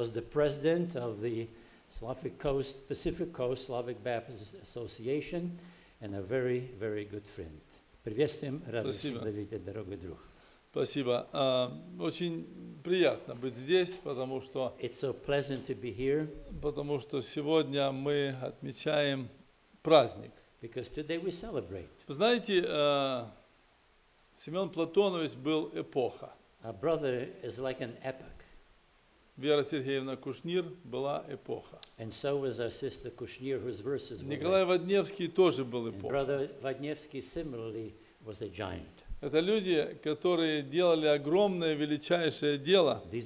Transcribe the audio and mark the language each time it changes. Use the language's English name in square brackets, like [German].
[English] President of the Slavic Coast, Pacific Coast Slavic Baptist Association, and a very, very good friend. [Russian] Приветствуем, радость, Давиде, дорогой друг. Спасибо. Очень приятно быть здесь, потому что... [English] It's so pleasant to be here. [Russian] Потому что сегодня мы отмечаем праздник. [English] Because today we celebrate. [Russian] Знаете, Семен Платонович был эпоха. [English] A brother is like an epoch. [Russian] Вера Сергеевна Кушнир была эпоха. [English] And so was our sister Kushnir, whose verses were [Russian] Николай Водневский тоже был эпоха. [English] And brother Водневский similarly was a giant. [Russian] Это люди, которые делали огромное, величайшее дело.